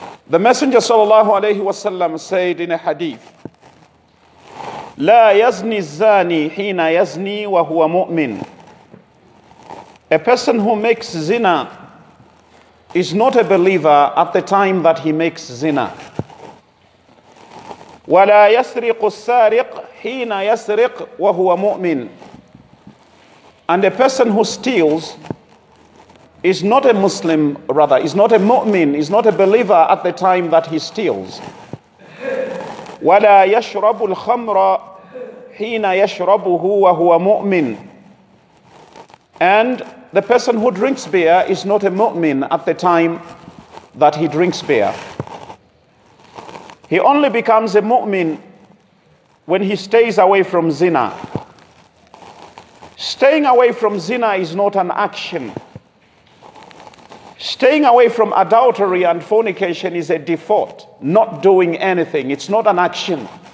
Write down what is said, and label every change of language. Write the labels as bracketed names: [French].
[English] The Messenger sallallahu alayhi wa sallam said in a hadith, [Arabic] لا يزني الزاني حين يزني وهو مؤمن. [English] A person who makes zina is not a believer at the time that he makes zina. [Arabic] ولا يسرق السارق حين يسرق وهو مؤمن. [English] And a person who steals is not a Muslim, rather, is not a mu'min, is not a believer at the time that he steals. [Arabic] ولا يشرب الخمر حين يشربه وهو مؤمن. [English] And the person who drinks beer is not a mu'min at the time that he drinks beer. He only becomes a mu'min when he stays away from zina. Staying away from zina is not an action. Staying away from adultery and fornication is a default, not doing anything. It's not an action.